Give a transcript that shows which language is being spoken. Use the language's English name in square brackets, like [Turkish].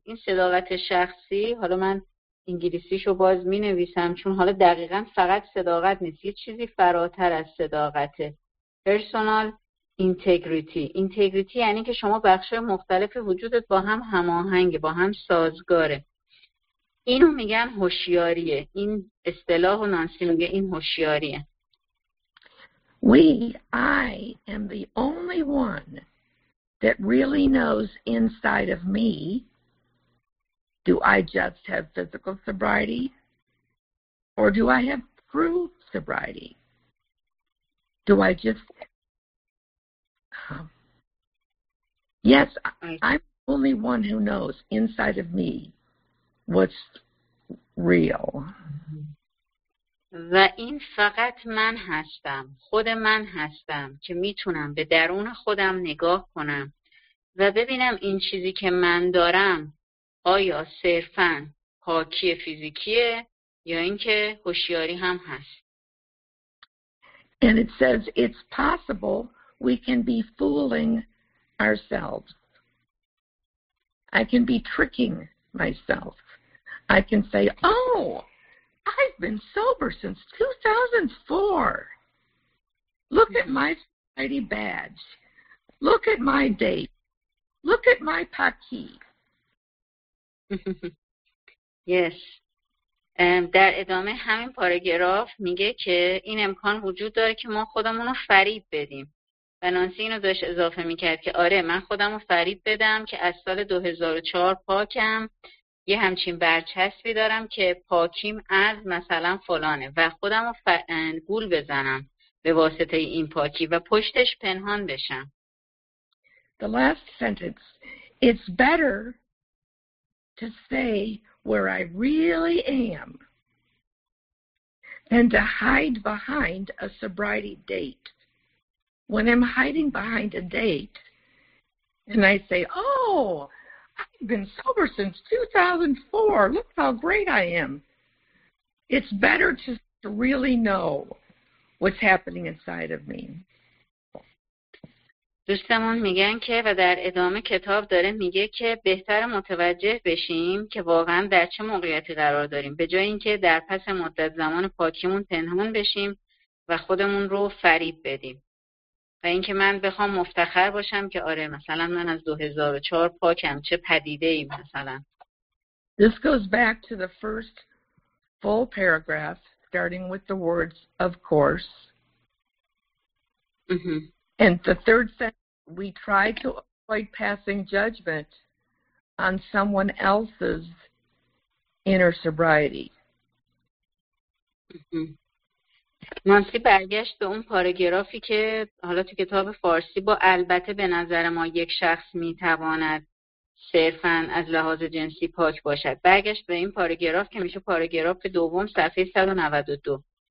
[Persian] این صداقت شخصی، حالا من انگلیسیشو باز می نویسم چون حالا دقیقا فقط صداقت نیست، یه چیزی فراتر از صداقته. [English] Personal integrity. [Persian] اینتگریتی یعنی که شما بخشای مختلف وجودت با هم هماهنگ، با هم سازگاره. اینو میگن هوشیاریه. این اصطلاح نانسی میگه این هوشیاریه. [English] I am the only one that really knows inside of me, do I just have physical sobriety or do I have true sobriety? Do I just... Yes, I'm the only one who knows inside of me what's real. [Persian] و این فقط من هستم، خود من هستم که میتونم به درون خودم نگاه کنم و ببینم این چیزی که من دارم آیا صرفاً پاکی فیزیکیه یا اینکه هوشیاری هم هست. [English] And it says it's possible we can be fooling ourselves. I can be tricking myself. I can say, oh, I've been sober since 2004. Look at my society badge. Look at my date. Look at my paki. Yes. [Persian] در ادامه همین پاراگراف میگه که این امکان وجود داره که ما خودمون رو فریب بدیم. و نانسی اینو داشت اضافه میکرد که آره، من خودم رو فریب بدم که از سال 2004 پاکم، یه همچین برچسبی دارم که پاکیم از مثلا فلانه و خودم رو گول بزنم به واسطه این پاکی و پشتش پنهان بشم. [English] The last sentence. It's better to stay where I really am than to hide behind a sobriety date. When I'm hiding behind a date and I say, oh, I've been sober since 2004. Look how great I am. It's better to really know what's happening inside of me. [Persian] دوستمون میگن که و در ادامه کتاب داره میگه که بهتر متوجه بشیم که واقعا در چه موقعیتی قرار داریم، به جای اینکه در پس مدت زمان پاکیمون پنهان بشیم و خودمون رو فریب بدیم. و اینکه من بخوام مفتخر باشم که آره مثلا من از 2004 پاکم، چه پدیده ای مثلا. [English] This goes back to the first full paragraph starting with the words of course. And the third sentence, we try to avoid passing judgment on someone else's inner sobriety. [Persian] نانسی برگشت به اون پاراگرافی که حالا تو کتاب فارسی با البته به نظر ما یک شخص میتواند صرفا از لحاظ جنسی پاک باشد. برگشت به این پاراگراف که میشه پاراگراف دوم صفحه 192.